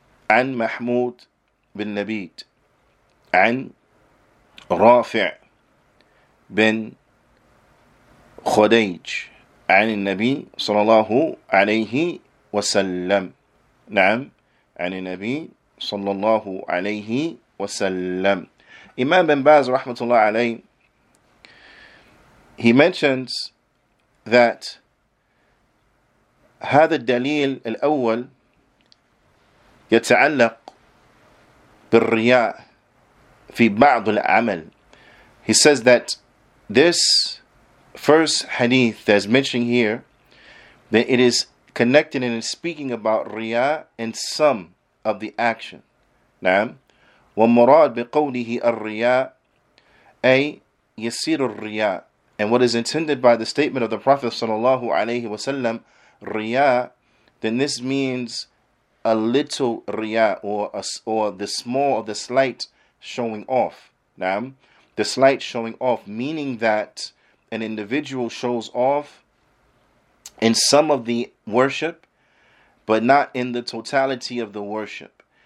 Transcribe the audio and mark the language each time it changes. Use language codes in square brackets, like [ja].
[ar] عن محمود بن لبيد عن رافع بن خديج عن النبي صلى الله عليه وسلم نعم عن النبي صلى الله عليه وسلم إمام بن باز رحمة الله عليه [en] He mentions that [ar] هذا الدليل الأول يتعلق بالرياء في بعض العمل. [en] He says that this first hadith that is mentioned here, that it is connected and is speaking about رياء in some of the action. [ar] نعم. ومراد بقوله الرياء أي يسير الرياء. [en] And what is intended by the statement of the Prophet sallallahu alaihi wasallam, riya, then this means a little riya, or the small, or the slight showing off. Naam, the slight showing off, meaning that an individual shows off in some of the worship, but not in the totality of the worship.